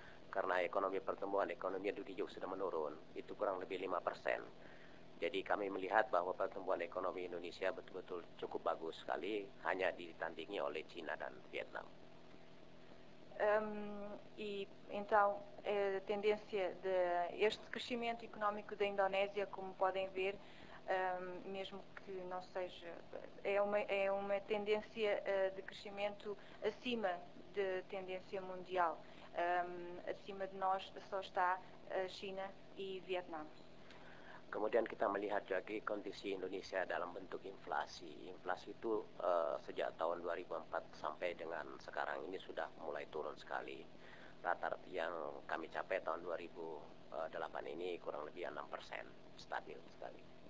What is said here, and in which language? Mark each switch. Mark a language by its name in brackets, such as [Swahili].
[Indonesian] Karena pertumbuhan ekonomi dunia juga sudah menurun, itu kurang lebih 5%. Jadi kami melihat bahwa pertumbuhan ekonomi Indonesia betul-betul cukup bagus sekali, hanya ditandingi oleh China dan Vietnam. [Portuguese] Este crescimento económico da Indonésia, como podem ver, mesmo que não seja, é uma tendência de crescimento acima da tendência mundial. Acima de nós só está a China e Vietnã. [Indonesian] Kemudian kita melihat juga kondisi Indonesia dalam bentuk inflasi. Inflasi itu sejak tahun 2004 sampai dengan sekarang ini sudah mulai turun sekali. Rata-rata yang kami capai tahun 2008 ini kurang lebih 6%, stabil sekali.